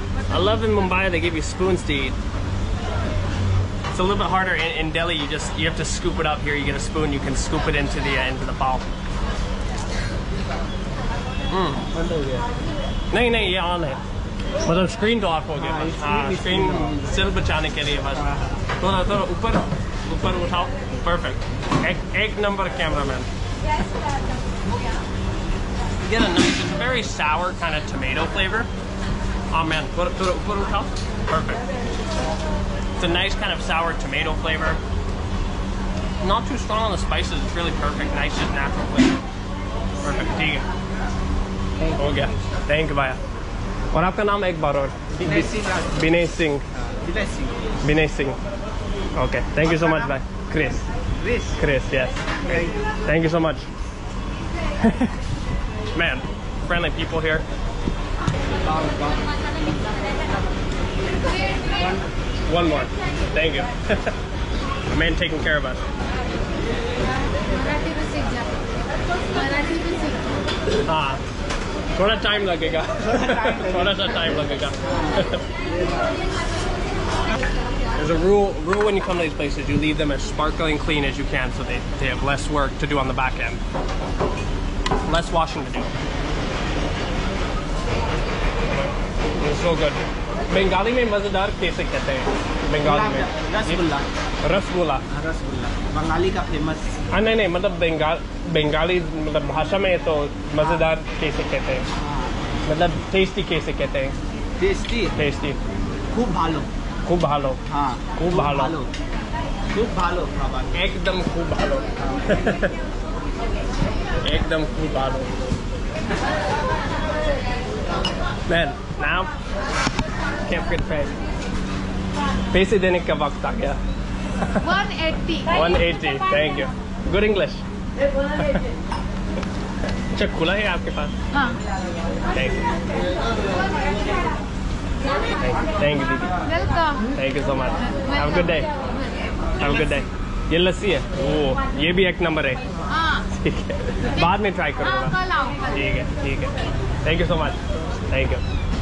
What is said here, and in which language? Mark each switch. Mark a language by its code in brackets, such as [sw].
[en] I love in Mumbai they give you spoons to eat. It's a little bit harder in Delhi, you have to scoop it up. Here you get a spoon, you can scoop it into the pao. But the screen door for you. [hi] Screen सिल बचाने के लिए बस। थोड़ा ऊपर उठाओ। [en] Perfect. [hi] Egg number cameraman. [en] You get a nice, very sour kind of tomato flavor. Oh man, put it up. Perfect. It's a nice kind of sour tomato flavor. Not too strong on the spices, it's really perfect. Nice, just natural flavor. Perfect. Thank you. Okay. Thank you, Bhaiya. What [hi] आपका नाम एक बार और? Binay Singh. [en] Okay, thank you so much, Bhai. Chris. Chris, yes. Thank you so much. Man, friendly people here. One more. Thank you. The man taking care of us. Ah. [hi] थोड़ा time लगेगा। थोड़ा सा time लगेगा। [en] There's a rule when you come to these places, you leave them as sparkling clean as you can so they have less work to do on the back end. Less washing to do. It's so good. [hi] Bengali में मज़ेदार कैसे कहते हैं? बंगाली में। Rasgulla. Rasgulla. Bengali ka famous. आह, नहीं, नहीं। मतलब बंगाली, मतलब भाषा में तो मज़ेदार कैसे कहते हैं? मतलब tasty कैसे कहते हैं? [bn] Tasty. Khub bhalo. Khub bhalo. [hi] Haan. [bn] Khub bhalo. Khub bhalo. Ekdam khub bhalo. Ekdam khub bhalo. [en] Man, now, can't forget to pay. [hi] पैसे देने का वक़्त आ गया। 180. [en] Thank you. Good English. 180. [hi] अच्छा, खुला है आपके पास? Haan. [en] Thank you. Thank you, Didi. Welcome. Thank you so much. Welcome. Have a good day. Have a good day. [hi] ये लस्सी है। ओह, ये भी एक नंबर है। Haan. बाद में try करूंगा। Haan, kal aao. Theek hai. [en] Thank you so much. Thank you.